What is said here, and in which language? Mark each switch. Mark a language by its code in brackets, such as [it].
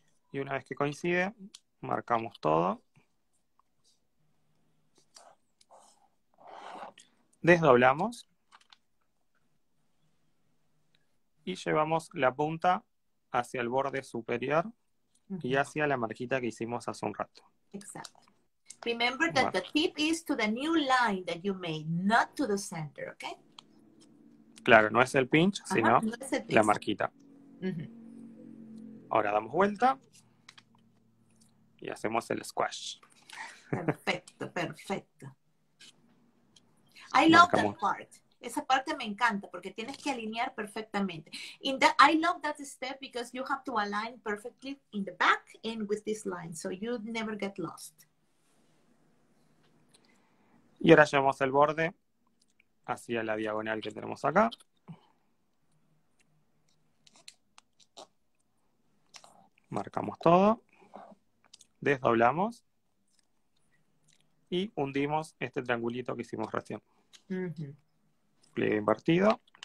[es] Y una vez que coincide, marcamos todo. Desdoblamos. Y llevamos la punta hacia el borde superior y hacia la marquita que hicimos hace un rato. Exacto. [en] Remember that the tip is to the new line that you made, not to the center, okay? [es] Claro, no es el pinch, sino la marquita. Uh-huh. Ahora damos vuelta y hacemos el squash. Perfecto, perfecto. [en] I love that part. [es] Esa parte me encanta porque tienes que alinear perfectamente. [en] In the, I love that step because you have to align perfectly in the back and with this line, so you never get lost. [es] Y ahora llevamos el borde hacia la diagonal que tenemos acá. Marcamos todo. Desdoblamos. Y hundimos este triangulito que hicimos recién. Pliegue invertido.